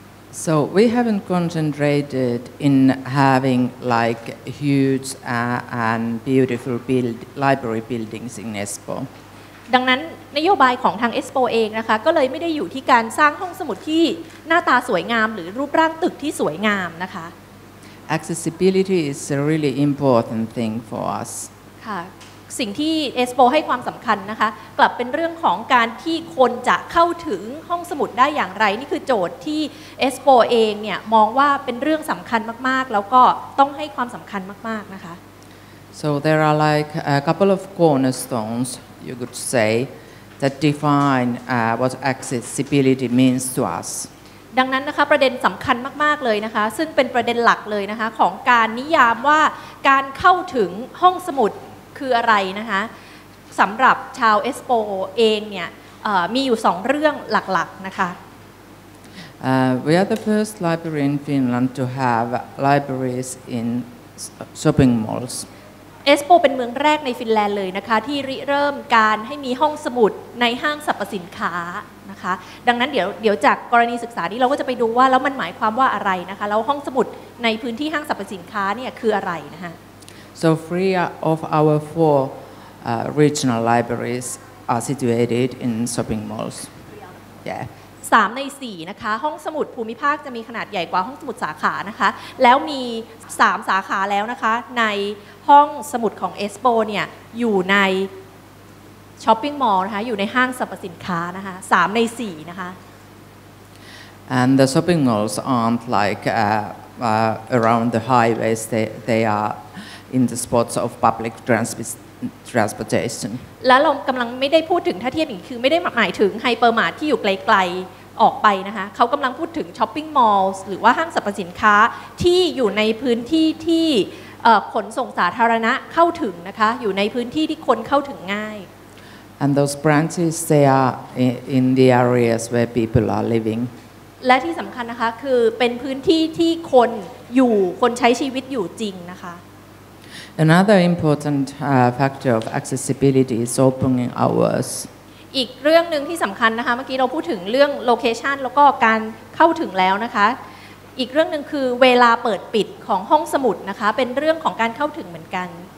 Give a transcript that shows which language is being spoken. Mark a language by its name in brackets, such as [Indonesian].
[English] So we haven't concentrated in having like huge and beautiful library buildings in Espoo [Thai] ดังนั้นนโยบายของทาง Expo เองนะคะก็เลยไม่ได้อยู่ที่การสร้างห้องสมุดที่หน้าตาสวยงามหรือรูปร่างตึกที่สวยงามนะคะ [English] Accessibility is a really important thing for us [Thai] ค่ะสิ่งที่ Expo ให้ความสำคัญนะคะกลับเป็นเรื่องของการที่คนจะเข้าถึงห้องสมุดได้อย่างไรนี่คือโจทย์ที่ Expo เองเนี่ยมองว่าเป็นเรื่องสำคัญมากๆแล้วก็ต้องให้ความสำคัญมากๆนะคะ [English] So there are like a couple of cornerstones you could say that define what accessibility means to us [Thai] ดังนั้นนะคะประเด็นสำคัญมากๆเลยนะคะซึ่งเป็นประเด็นหลักเลยนะคะของการนิยามว่าการเข้าถึงห้องสมุดคืออะไรนะคะสำหรับชาว Expo เองเนี่ยมีอยู่สองเรื่องหลักๆนะคะ [English] We are the first library in Finland to have libraries in shopping malls [Thai] Expo เป็นเมืองแรกในฟินแลนด์เลยนะคะที่ริเริ่มการให้มีห้องสมุดในห้างสรรพสินค้านะคะดังนั้นเดี๋ยวจากกรณีศึกษานี้เราก็จะไปดูว่าแล้วมันหมายความว่าอะไรนะคะแล้วห้องสมุดในพื้นที่ห้างสรรพสินค้าเนี่ยคืออะไรนะคะ [English] So three of our four regional libraries are situated in shopping malls. Yeah. [Thai] 3ใน4นะคะห้องสมุดภูมิภาคจะมีขนาดใหญ่กว่าห้องสมุดสาขานะคะแล้วมี3สาขาแล้วนะคะในห้องสมุดของ Expo เนี่ยอยู่ในช้อปปิ้งมอลล์นะคะอยู่ในห้างสรรพสินค้านะคะ3ใน4นะคะ [English] And the shopping malls aren't like around the highways they areIn the spots of public transportation. [Thai] แล้วเรากำลังไม่ได้พูดถึงท่าเทียบอีกคือไม่ได้หมายถึงไฮเปอร์มาร์ทที่อยู่ไกลๆออกไปนะคะเขากำลังพูดถึงช้อปปิ้งมอลล์หรือว่าห้างสรรพสินค้าที่อยู่ในพื้นที่ที่ขนส่งสาธารณะเข้าถึงนะคะอยู่ในพื้นที่ที่คนเข้าถึงง่าย [English] And those branches they are in the areas where people are living. [Thai] และที่สำคัญนะคะคือเป็นพื้นที่ที่คนอยู่คนใช้ชีวิตอยู่จริงนะคะ [English] Another important factor of accessibility is opening hours. [Thai] อีกเรื่องนึงที่สำคัญนะคะเมื่อกี้เราพูดถึงเรื่องโลเคชันแล้วก็การเข้าถึงแล้วนะคะอีกเรื่องนึงคือเวลาเปิดปิดของห้องสมุดนะคะเป็นเรื่องของการเข้าถึงเหมือนกัน